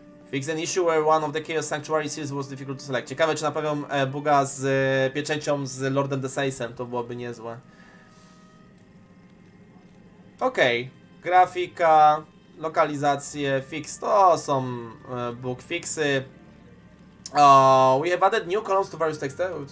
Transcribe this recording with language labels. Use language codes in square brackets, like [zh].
[en] Fix an issue where one of the Chaos Sanctuary seals was difficult to select. [pl] Ciekawe, czy naprawią buga z pieczęcią z Lordem Deceisem, to byłoby niezłe. Okej, okay. Grafika, lokalizacje, fix, to są bug fixy. [en] We have added new columns to various text.